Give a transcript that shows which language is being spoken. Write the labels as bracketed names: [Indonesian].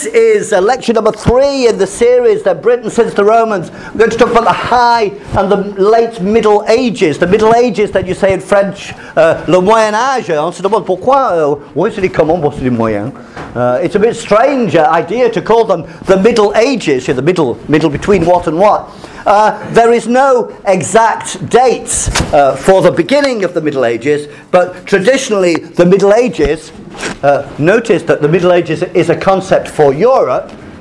[English] This is lecture number three in the series that Britain since the Romans. We're going to talk about the high and the late Middle Ages. The Middle Ages that you say in French, le Moyen Âge. [French] On se demande pourquoi, où est-il comment, où est-il moyen? [English] It's a bit strange idea to call them the Middle Ages, the middle between what and what. There is no exact dates for the beginning of the Middle Ages, but traditionally the Middle Ages, notice that the Middle Ages is a concept for Europe.